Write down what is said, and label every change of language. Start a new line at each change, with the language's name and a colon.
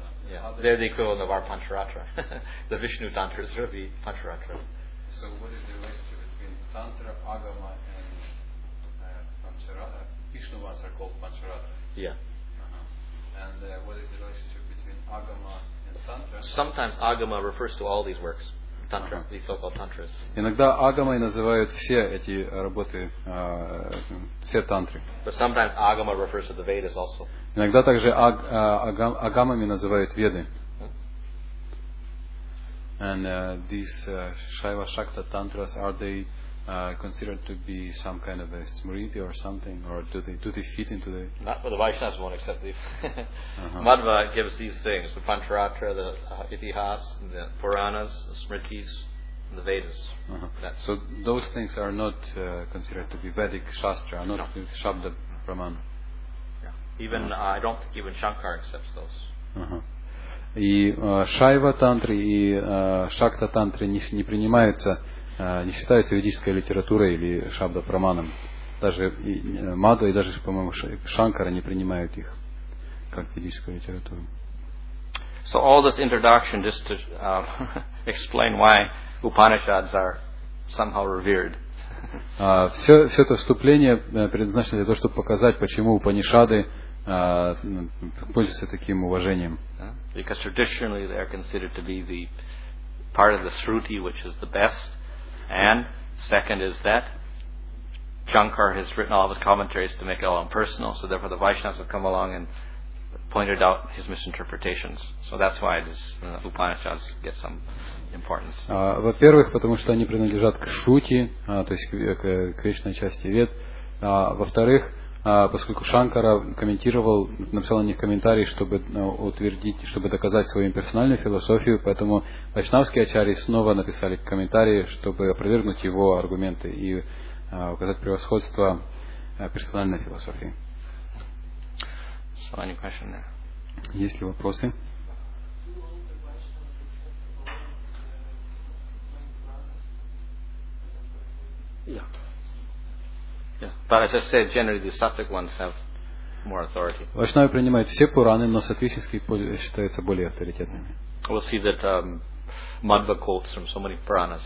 English: Yeah. They're the equivalent of our Pancharatra. The Vishnu Tantras are the Pancharatra. So what is the relationship between Tantra, Agama, and Pancharatra? Vishnuvas are called Pancharatra. Yeah. And what is the relationship between Agama and Tantra? Sometimes Agama refers to all these works. Tantra, these so-called Tantras.
Russian: Иногда Агамой называют все эти работы, все тантры.
English: But sometimes Agama refers to the Vedas also.
Russian: Иногда также агамами называют веды.
English: And these Shaiva Shakta Tantras, are they considered to be some kind of a Smriti or something? Or do they fit into the... Not, well, the Vaishnavas won't accept these. Uh-huh. Madhva gives these things, the Pancharatra, the Itihas, the Puranas, the Smritis, and the Vedas. Uh-huh. So those things are not considered to be Vedic Shastra, not no. Shabda Brahman. Even I don't think even Shankar accepts those.
Russian: И Шайва тантры и Шакта тантры не принимаются, не считаются ведической литературой или Шабда Праманом. Даже Мадва и даже, по-моему, Шанкара не принимают их как ведическую литературу.
English: So all this introduction just to explain why Upanishads are somehow revered.
Russian: Все это вступление предназначено для того, чтобы показать, почему Упанишады пользуются таким уважением.
English: Because traditionally they are considered to be the part of the Shruti, which is the best. And second is that Shankar has written all of his commentaries to make it all impersonal, so therefore the Vaishnavas have come along and pointed out his misinterpretations. So that's why this Upanishads get some importance.
Russian: Во-первых, потому что они принадлежат к Шрути, то есть к вечной части Вед. Во-вторых, поскольку Шанкара комментировал, написал на них комментарий, чтобы утвердить, чтобы доказать свою имперсональную философию, поэтому вайшнавские ачарьи снова написали комментарии, чтобы опровергнуть его аргументы и указать превосходство персональной философии.
English: So, any question there?
Russian: Есть ли вопросы?
English: But as I said, generally the sattvic ones have more authority.
Russian: Вайшнавы принимают все Пураны, но сатвические считаются более авторитетными.
English: We'll see that Madhva quotes from so many Puranas.